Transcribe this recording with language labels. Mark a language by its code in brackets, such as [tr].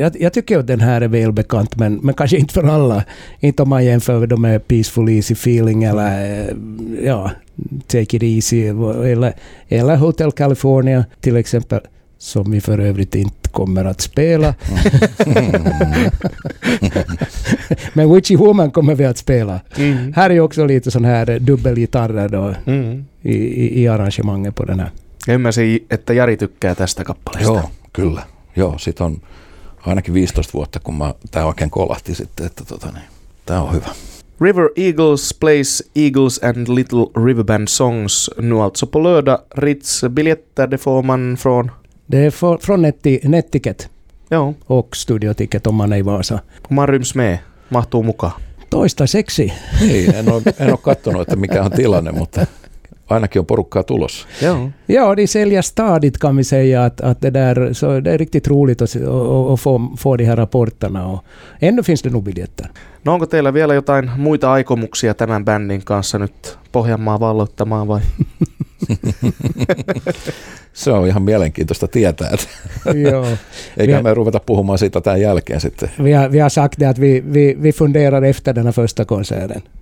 [sv] Jag tycker att den här är välbekant, men kanske inte för alla. Inte om man jämför dem med Peaceful Easy Feeling eller ja, Take It Easy eller Hotel California till exempel, som vi för övrigt inte kommer att spela. Men Witchy Woman kommer vi att spela. Mm. Här är ju också lite sån här dubbelgitarrer då, i arrangemanget på den här. [fi] Ymmärsin, että Jari tykkää tästä kappaleesta. Joo, kyllä. Joo, sit on ainakin 15 vuotta, kun tämä oikein kolahti sitten, että tämä on hyvä. [en] River Eagles plays Eagles and Little River Band songs. [sv] Nu alltså på lördag, Ritz, biljetter, det får man från? Det är från Nettiket. [fi] Joo. [sv] Och studioticket om man är i Vasa. Man ryms med, [fi] mahtuu mukaan. Toistaiseksi. Ei, en ole kattonut, että mikä on tilanne, mutta... Ainakin on porukkaa tulossa. [sv] Joo, de säljer stadigt kan vi säga att det där så det är riktigt roligt att få de här rapporterna och ännu finns det nog biljetter. [fi] No, onko teillä vielä jotain muita aikomuksia tämän bändin kanssa nyt Pohjanmaan valloittamaan vai? Se on ihan mielenkiintoista tietää. Joo. Eikä me ruveta puhumaan siitä tämän jälkeen sitten. [sv] Vi har sagt att vi funderar efter den här första konserten.